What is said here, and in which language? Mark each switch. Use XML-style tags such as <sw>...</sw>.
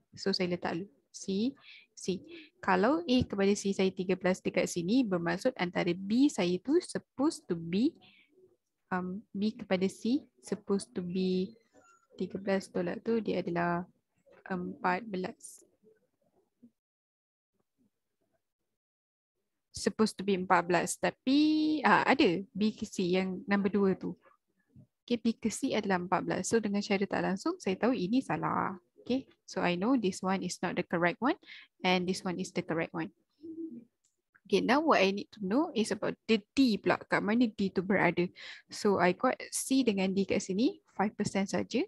<ms>So saya letak C, C. Kalau A kepada C saya 13 dekat sini, bermaksud antara B saya tu</ms> <en>supposed to be</en> <ms>B kepada C supposed to be 13 tolak tu dia adalah 14.</ms> <en>Supposed to be</en> <ms>14 tapi ada B ke C yang number 2 tu. Okay, B ke C adalah 14. So dengan cara tak langsung saya tahu ini salah.</ms> <en>Okay, so I know this one is not the correct one and this one is the correct one. Okay, now what I need to know is about the D pula.</en> <ms>Kat mana D tu berada.</ms> <en>So I got</en> <ms>C dengan D kat sini 5% saja.</ms>